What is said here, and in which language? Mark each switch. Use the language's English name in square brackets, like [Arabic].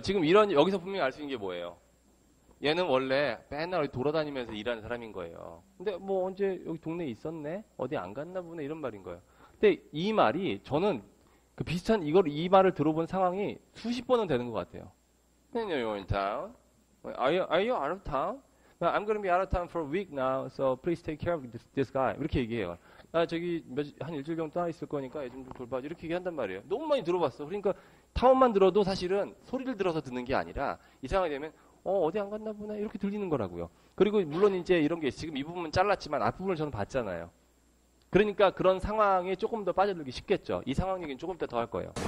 [Korean] 지금 이런 여기서 분명히 알 수 있는 게 뭐예요? 얘는 원래 맨날 돌아다니면서 일하는 사람인 거예요. 근데 뭐 언제 여기 동네에 있었네? 어디 안 갔나 보네? 이런 말인 거예요. 근데 이 말이 저는 그 비슷한 이걸 이 말을 들어본 상황이 수십 번은 되는 것 같아요. [English] Then you're in town. Are you out of town? I'm going to be out of town for a week now. So please take care of this guy. [Korean] 이렇게 얘기해요. 아, 저기 한 일주일 정도 떠나 있을 거니까 애 좀 돌봐. 이렇게 얘기한단 말이에요. 너무 많이 들어봤어. 그러니까 타원만 들어도 사실은 소리를 들어서 듣는 게 아니라 이상하게 되면 어디 안 갔나 보네 이렇게 들리는 거라고요. 그리고 물론 이제 이런 게 지금 이 부분은 잘랐지만 앞부분을 저는 봤잖아요. 그러니까 그런 상황에 조금 더 빠져들기 쉽겠죠. 이 상황 얘기는 조금 더 할 거예요.